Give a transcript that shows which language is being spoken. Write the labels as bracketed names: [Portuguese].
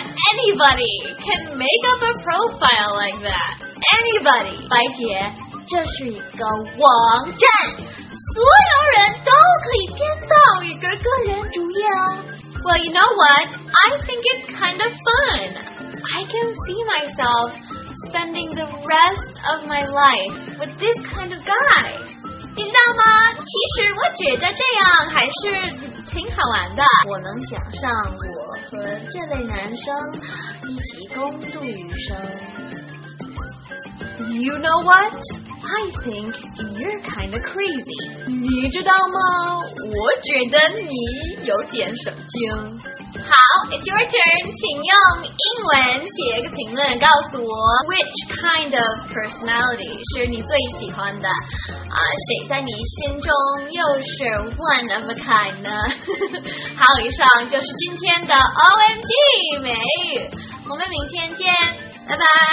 [English] Anybody can make up a profile like that. Anybody， [Chinese] 白姐，这是一个网站，所有人都可以编造一个个人主页啊。 [English] Well, you know what? I think it's kind of fun. I can see myself spending the rest of my life with this kind of guy. [Chinese] 你知道吗？其实我觉得这样还是挺好玩的。我能想象我和这类男生一起共度余生。 [English] You know what? I think you're kind of crazy. [Chinese] 你知道吗？我觉得你有点神经。 [English] 好 ，It's your turn. [Chinese] 请用英文写一个评论，告诉我 [English] which kind of personality [Chinese] 是你最喜欢的啊？谁在你心中又是 [English] one of a kind [Chinese] 呢？好，以上就是今天的 OMG 美语，我们明天见，拜拜。